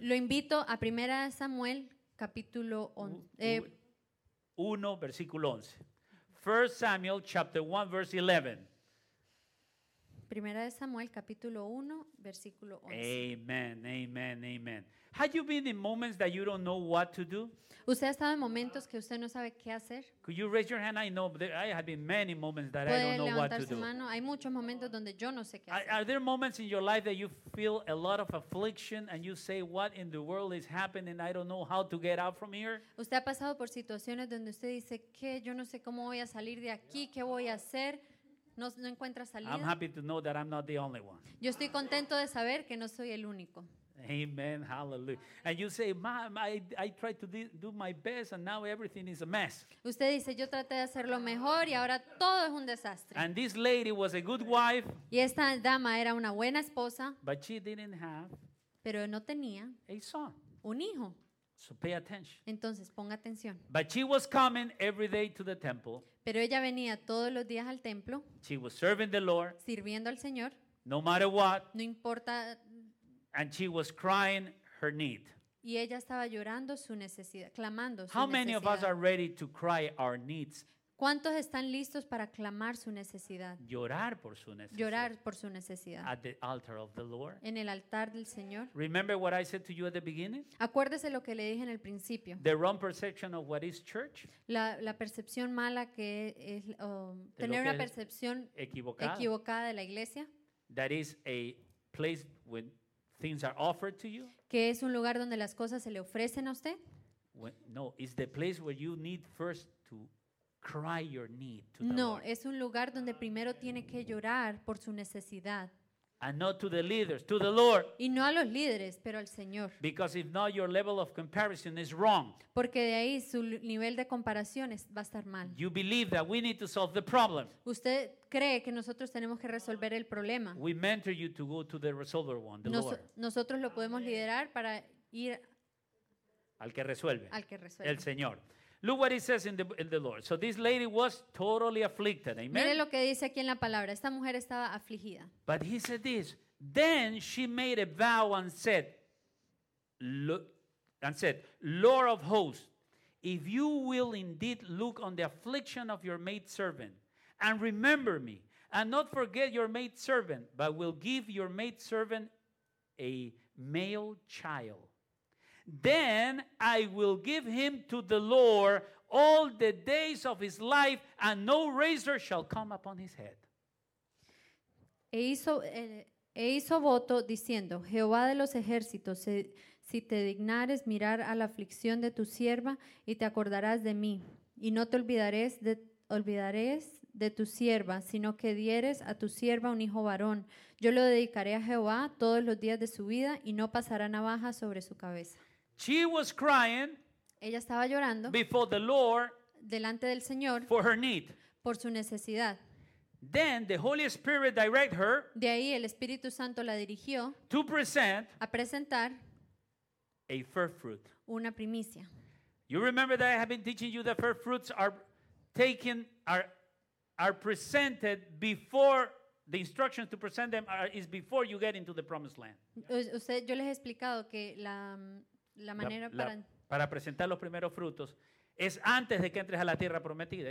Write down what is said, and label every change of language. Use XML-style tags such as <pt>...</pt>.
<es>Lo invito a 1 Samuel capítulo 1 versículo 11.</es> <en>1 Samuel chapter 1 verse 11.</en> <es>Primera de Samuel, capítulo 1, versículo 11.</es> <en>Amen, amen, amen. Have you been in moments that you don't know what to do?</en> <es>¿Usted ha estado en momentos que usted no sabe qué hacer?</es> <en>Could you raise your hand? I know, but I have been many moments that I don't know what to do.</en> <es>¿Puede levantar su mano? Hay muchos momentos donde yo no sé qué hacer.</es> <en>Are there moments in your life that you feel a lot of affliction and you say, "What in the world is happening? I don't know how to get out from here"?</en> <es>¿Usted ha pasado por situaciones donde usted dice, "¿Qué? Yo no sé cómo voy a salir de aquí, ¿qué voy a hacer?" No encuentra salida.</es> <en>I'm happy to know that I'm not the only one.</en> <es>Yo estoy contento de saber que no soy el único.</es> <en>Amen, hallelujah. And you say, "Mom, I tried to do my best and now everything is a mess."</en> <es>Usted dice, "Yo traté de hacer lo mejor y ahora todo es un desastre."</es> <en>And this lady was a good wife.</en> <es>Y esta dama era una buena esposa.</es> <en>But she didn't have.</en> <es>Pero no tenía.</es> <en>A son.</en> <es>Un hijo.</es> <en>So pay attention.</en> <es>Entonces ponga atención.</es> <en>But she was coming every day to the temple.</en> <es>Pero ella venía todos los días al templo.</es> <en>She was serving the Lord.</en> <es>Sirviendo al Señor.</es> <en>No matter what.</en> <es>No importa.</es> <en>And she was crying her need.</en> <es>Y ella estaba llorando su necesidad, clamando su necesidad.</es> <en>How many of us are ready to cry our needs?</en> <es>¿Cuántos están listos para clamar su necesidad? Llorar por su necesidad. Llorar por su necesidad.</es> <en>At the altar of the Lord.</en> <es>En el altar del Señor.</es> <en>Remember what I said to you at the beginning?</en> <es>Acuérdese lo que le dije en el principio.</es> <en>The wrong perception of what is church?</en> <es>La percepción mala que es tener una percepción equivocada de la iglesia.</es> <en>That is a place when things are offered to you?</en> <es>Que es un lugar donde las cosas se le ofrecen a usted?</es> <en>No, it's the place where you need first to cry your need to the</en> <es>no,</es> <en>Lord.</en> <es>Es un lugar donde primero tiene que llorar por su necesidad.</es> <en>And not to the leaders, to the Lord.</en> <es>Y no a los líderes, pero al Señor.</es> <en>Because if not, your level of comparison is wrong.</en> <es>Porque de ahí su nivel de comparación va a estar mal.</es> <en>You believe that we need to solve the problem.</en> <es>Usted cree que nosotros tenemos que resolver el problema.</es> <en>We mentor you to go to the resolver one, the Lord.</en> <es>Nosotros lo podemos liderar para ir al que resuelve. Al que resuelve. El Señor.</es> <en>Look what it says in the Lord. So this lady was totally afflicted. Amen.</en> <es>Mire lo que dice aquí en la palabra. Esta mujer estaba afligida.</es> <en>But he said this. Then she made a vow and said, look, and said, Lord of hosts, if you will indeed look on the affliction of your maidservant and remember me, and not forget your maidservant, but will give your maidservant a male child, then I will give him to the Lord all the days of his life, and no razor shall come upon his head.</en> <es>E hizo voto diciendo, Jehová de los ejércitos, si te dignares mirar a la aflicción de tu sierva y te acordarás de mí, y no te olvidarás de tu sierva, sino que dieres a tu sierva un hijo varón, yo lo dedicaré a Jehová todos los días de su vida y no pasará navaja sobre su cabeza.</es> <en>She was crying.</en> <es>Ella estaba llorando.</es> <en>Before the Lord.</en> <es>Delante del Señor.</es> <en>For her need.</en> <es>Por su necesidad.</es> <en>Then the Holy Spirit directed her.</en> <es>De ahí el Espíritu Santo la dirigió.</es> <en>To present.</en> <es>A presentar.</es> <en>A first fruit.</en> <es>Una primicia.</es> <en>You remember that I have been teaching you that first fruits are presented before. The instructions to present them is before you get into the promised land.</en> <es>Usted, yo les he explicado que la manera para presentar los primeros frutos es antes de que entres a la tierra prometida.</es>